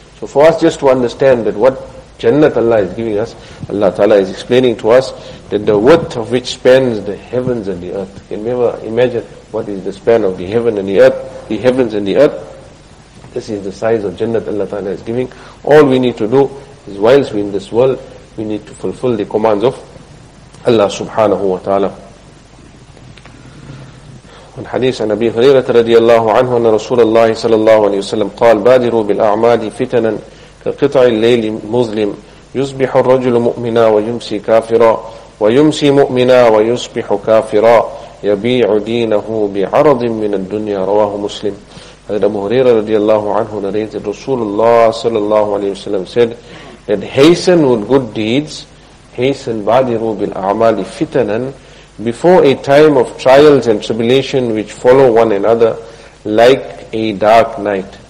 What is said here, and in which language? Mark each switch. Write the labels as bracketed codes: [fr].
[en] So for us just to understand that what Jannat Allah is giving us, Allah Ta'ala is explaining to us that the width of which spans the heavens and the earth. Can we ever imagine what is the span of the heaven and the earth, the heavens and the earth? This is the size of Jannat Allah Ta'ala is giving. All we need to do is, whilst we're in this world, we need to fulfill the commands of Allah subhanahu wa ta'ala. [ar] من حديث عن أبي هريرة رضي الله عنه أن رسول الله صلى الله عليه وسلم قال بادروا بالأعمال فتنا كقطع الليل مظلم يصبح الرجل مؤمنا ويمسي كافرا ويمسي مؤمنا ويصبح كافرا يبيع دينه بعرض من الدنيا. رواه مسلم. هذا أبو هريرة رضي الله عنه نريد رسول الله صلى الله عليه وسلم [en] said that hasten with good deeds, hasten [ar] بادروا بالأعمال فتنا, [en] before a time of trials and tribulation which follow one another like a dark night.